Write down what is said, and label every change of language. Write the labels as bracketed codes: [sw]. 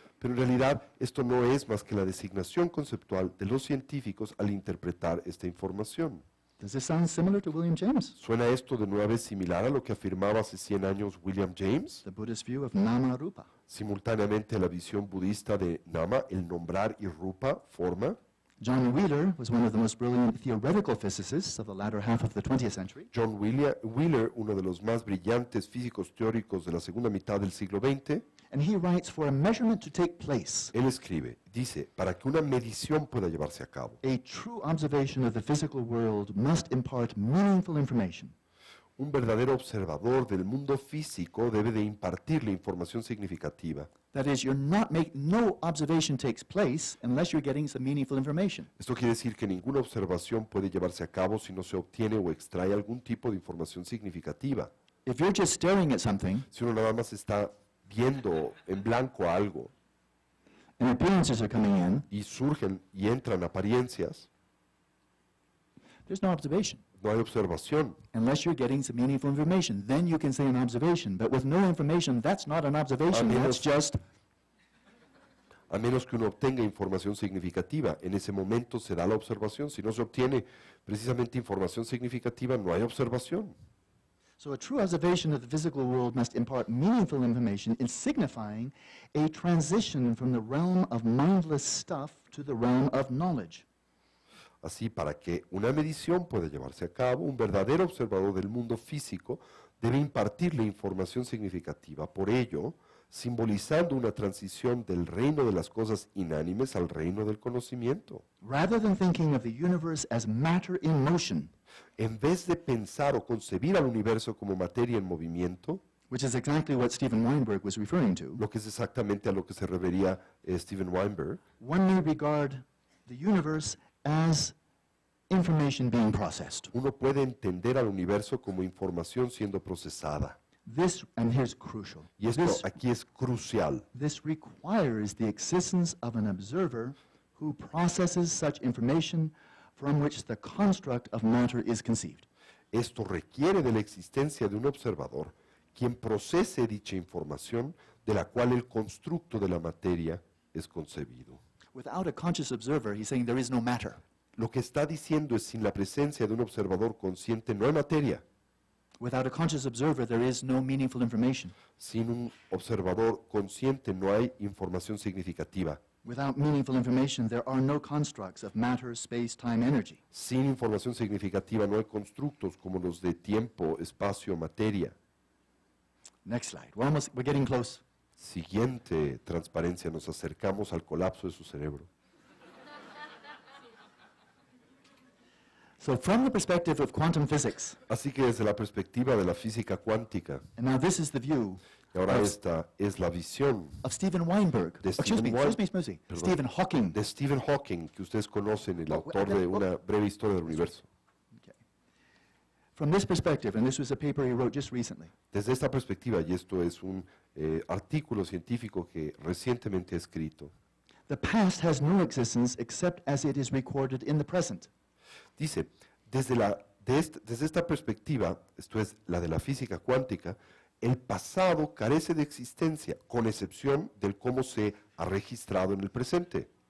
[es] Pero en realidad esto no es más que la designación conceptual de los científicos al interpretar esta información. [en] Does this sound similar to William James? [es] ¿Suena esto de nueva vez similar a lo que afirmaba hace 100 años William James? [en] The Buddhist view of nama rupa. [es] Simultáneamente a la visión budista de nama, el nombrar y rupa, forma. [en] John Wheeler was one of the most brilliant theoretical physicists of the latter half of the 20th century. [es] John Wheeler, uno de los más brillantes físicos teóricos de la segunda mitad del siglo XX. [en] And he writes, for a measurement to take place. [es] Él escribe, dice, para que una medición pueda llevarse a cabo. [en] A true observation of the physical world must impart meaningful information. [es] Un verdadero observador del mundo físico debe de impartirle información significativa. [en] That is, you're not no observation takes place unless you're getting some meaningful information. [es] Esto quiere decir que ninguna observación puede llevarse a cabo si no se obtiene o extrae algún tipo de información significativa. [en] If you're just staring at something, [es] si uno nada más está viendo en blanco algo, [en] and appearances are coming in, [es] y surgen y entran apariencias, [en] there's no observation. [es] No hay observación. [en] Unless you're getting some meaningful information, then you can say an observation. But with no information, that's not an observation. That's just. [es] A menos que uno obtenga información significativa, en ese momento se da la observación. Si no se obtiene precisamente información significativa, no hay observación. [en] So a true observation of the physical world must impart meaningful information in signifying a transition from the realm of mindless stuff to the realm of knowledge. [es] Así, para que una medición pueda llevarse a cabo, un verdadero observador del mundo físico debe impartirle información significativa. Por ello, simbolizando una transición del reino de las cosas inánimes al reino del conocimiento. [en] Rather than thinking of the universe as matter in motion, [es] en vez de pensar o concebir al universo como materia en movimiento, [en] which is exactly what Steven Weinberg was referring to, [es] lo que es exactamente a lo que se refería Steven Weinberg, [en] one may regard the universe as information being processed. [es] Uno puede entender al universo como información siendo procesada. [en] This, and here's crucial. [es] Y esto [en] this, [es] aquí es crucial. [en] This requires the existence of an observer who processes such information from which the construct of matter is conceived. [es] Esto requiere de la existencia de un observador quien procese dicha información de la cual el constructo de la materia es concebido. [en] Without a conscious observer, he's saying there is no matter. [es] Lo que está diciendo es, sin la presencia de un observador consciente, no hay materia. [en] Without a conscious observer, there is no meaningful information. [es] Sin un observador consciente, no hay información significativa. [en] Without meaningful information, there are no constructs of matter, space, time, energy. [es] Sin información significativa, no hay constructos como los de tiempo, espacio, materia. [en] Next slide. We're almost, we're getting close. [es] Siguiente transparencia, nos acercamos al colapso de su cerebro. [en] So from the perspective of quantum physics. [es] Así que desde la perspectiva de la física cuántica. [en] And now this is the view. [es] Y ahora esta es la visión [en] of Stephen Weinberg. Stephen Hawking. [es] De Stephen Hawking, que ustedes conocen, el autor de una breve historia del universo. [en] From this perspective, and this was a paper he wrote just recently. [es] Desde esta perspectiva, y esto es un artículo científico que recientemente ha escrito. [en] The past has no existence except as it is recorded in the present. [es] Dice, desde esta perspectiva, esto es la de la física cuántica, el pasado carece de existencia, con excepción del cómo se ha registrado en el presente.